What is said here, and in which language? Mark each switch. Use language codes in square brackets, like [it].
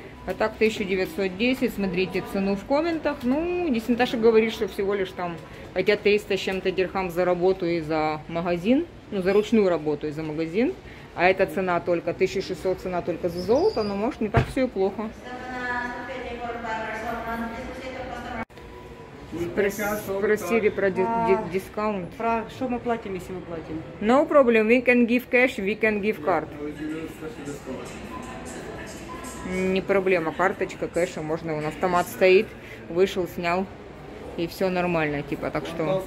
[ru] А так 1910, смотрите цену в комментах. Ну, здесь Наташа говорит, что всего лишь там хотят 300 с чем-то дирхам за работу и за магазин. Ну, за ручную работу и за магазин. А эта цена только, 1600 цена только за золото, но может не так все и плохо. Спросили про дискаунт. Про что мы платим, если мы платим? [en] No problem, we can give cash, we can give card. [ru] Не проблема, карточка, кэша, можно, у нас автомат стоит, вышел, снял, и все нормально, типа, так что...